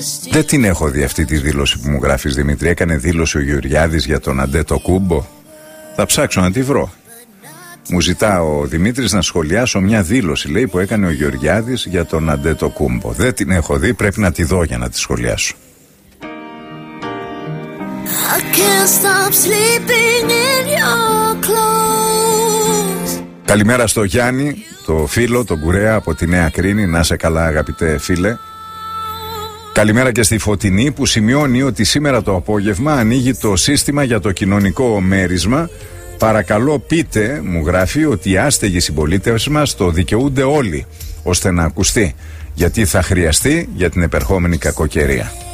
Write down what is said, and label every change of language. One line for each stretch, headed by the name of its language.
Greek: Δεν την έχω δει αυτή τη δήλωση που μου γράφεις, Δημήτρη. Έκανε δήλωση ο Γεωργιάδης για τον Αντέτο Κούμπο? Θα ψάξω να τη βρω. Μου ζητά ο Δημήτρης να σχολιάσω μια δήλωση, λέει, που έκανε ο Γεωργιάδης για τον Αντέτο Κούμπο. Δεν την έχω δει, πρέπει να τη δω για να τη σχολιάσω.
English: I can't stop sleeping in your clothes.
Greek: Καλημέρα στο Γιάννη, το φίλο, τον Κουρέα από τη Νέα Κρίνη. Να σε καλά, αγαπητέ φίλε. Καλημέρα και στη Φωτεινή που σημειώνει ότι σήμερα το απόγευμα ανοίγει το σύστημα για το κοινωνικό μέρισμα. Παρακαλώ πείτε, μου γράφει, ότι οι άστεγοι συμπολίτες μας το δικαιούνται όλοι, ώστε να ακουστεί, γιατί θα χρειαστεί για την επερχόμενη κακοκαιρία.